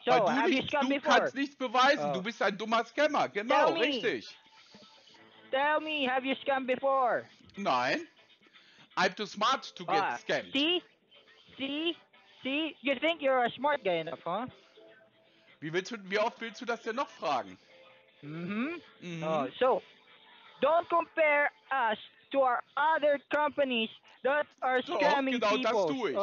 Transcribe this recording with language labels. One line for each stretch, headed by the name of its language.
German: So, weil du kannst nichts beweisen. Du bist ein dummer Scammer. Genau, richtig.
English: Tell me, have you scammed before?
German: Nein.
English: I'm too smart to get scammed. See? You think you're a smart guy enough, huh?
German: Wie oft willst du das denn noch fragen?
English: So, don't compare us to our other companies that are scamming people.